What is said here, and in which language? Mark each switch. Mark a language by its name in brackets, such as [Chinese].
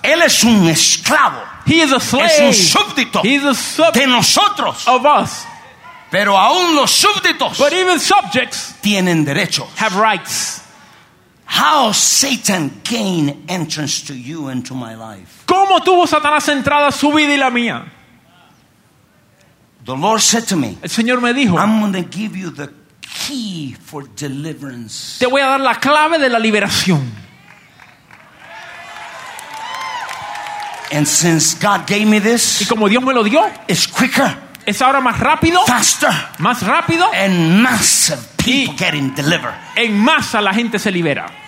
[Spanish] él es un esclavo. [English] He is a slave. [Spanish] Es un súbdito. [English] He is a subject [Spanish] de nosotros. [English] Of us. [Spanish] Pero aún los súbditos, [English] but even subjects, [Spanish] tienen derechos. [English] Have rights. How Satan gained entrance to you and to my life. [Spanish] ¿Cómo tuvo Satanás entrada a su vida y la mía? [English] The Lord said to me, [Spanish] el Señor me dijo, [English] I'm going to give you the key for deliverance. [Spanish] Te voy a dar la clave de la liberación. [English] And since God gave me this, [Spanish] y como Dios me lo dio, [English] it's quicker. [Spanish] Es ahora más rápido. [English] Faster. [Spanish] Más rápido. [English] And massive people getting delivered. [Spanish] En masa la gente se libera.